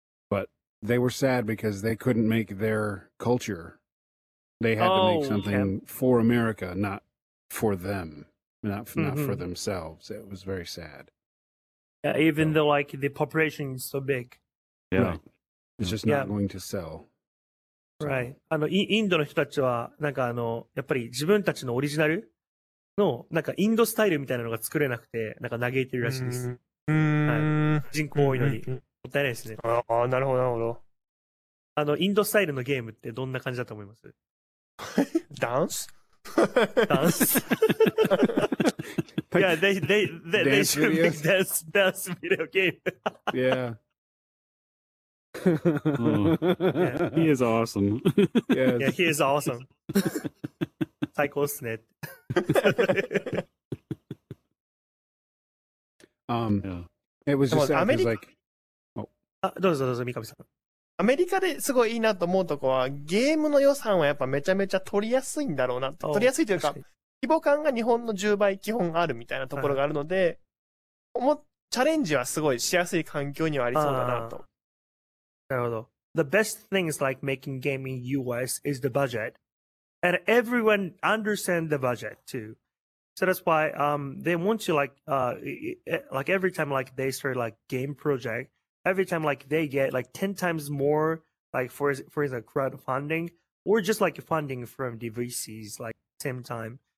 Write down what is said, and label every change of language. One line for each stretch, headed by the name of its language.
English: But they were sad because they couldn't make their culture. They had to make something for America, not for them. Not for themselves. It was very sad. Yeah, even though like the population is so big. Yeah. Right. It's just not going to sell. So. Right.
Japanese: インドの人たちはなんかやっぱり自分たちのオリジナルのなんかインドスタイルみたいなのが作れなくてなんか嘆いてるらしいです。人口多いのにもったいないですね。ああ、なるほどなるほど。インドスタイルのゲームってどんな感じだと思います？ダンス？
English: Dance. Yeah, they should make dance video game. Yeah. He is awesome. Yeah, he is awesome. Psycho Snit. It was just sad, like.
Japanese: Oh. どうぞ Mikami-san. アメリカですごいいいなと思うとこは、ゲームの予算はやっぱめちゃめちゃ取りやすいんだろうなと。取りやすいというか、規模感が日本の10倍基本あるみたいなところがあるので、チャレンジはすごいしやすい環境にはありそうだなと。なるほど。
English: The best thing is like making game in US is the budget. And everyone understands the budget too. So that's why, they want you like every time like they start like game project,Every time, like, they get, like, 10 times more, like, for example, crowdfunding, or just, like, funding from the VCs, like, same time.